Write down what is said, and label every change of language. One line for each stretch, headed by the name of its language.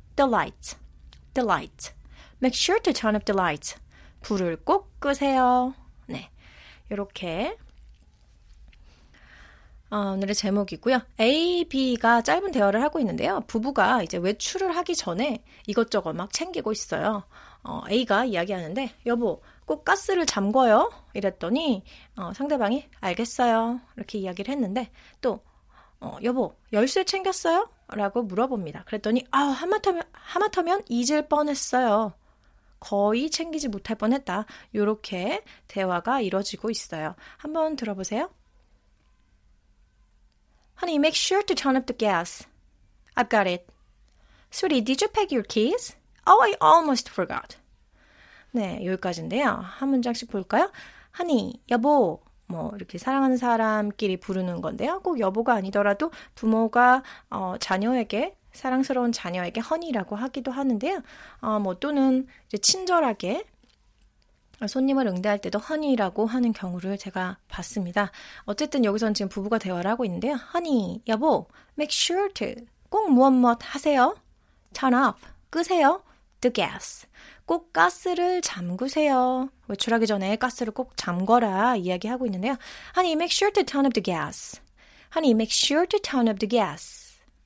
English: the light make sure to turn off the light
Korean: 불을 꼭 끄세요. 네, 이렇게 오늘의 제목이고요. A, B가 짧은 대화를 하고 있는데요. 부부가 이제 외출을 하기 전에 이것저것 막 챙기고 있어요. A가 이야기하는데 여보, 꼭 가스를 잠궈요. 이랬더니 상대방이 알겠어요. 이렇게 이야기를 했는데 또 여보, 열쇠 챙겼어요? 라고 물어봅니다. 그랬더니 하마터면 잊을 뻔했어요. 거의 챙기지 못할 뻔했다. 이렇게 대화가 이루어지고 있어요. 한번 들어보세요.
English: Honey, make sure to turn up the gas. I've got it. Sweetie, did you pack your keys? Oh, I almost forgot.
Korean: 네, 여기까지인데요. 한 문장씩 볼까요? Honey, 여보, 뭐 이렇게 사랑하는 사람끼리 부르는 건데요. 꼭 여보가 아니더라도 부모가 자녀에게 사랑스러운 자녀에게 허니라고 하기도 하는데요. 또는 이제 친절하게 손님을 응대할 때도 허니라고 하는 경우를 제가 봤습니다. 어쨌든 여기선 지금 부부가 대화를 하고 있는데요. 허니, 여보,
English: make sure to
Korean: 꼭 무엇무엇 하세요.
English: Turn off,
Korean: 끄세요.
English: The gas,
Korean: 꼭 가스를 잠그세요. 외출하기 전에 가스를 꼭 잠궈라 이야기하고 있는데요.
English: Honey, make sure to turn up the gas. Honey, make sure to turn up the gas.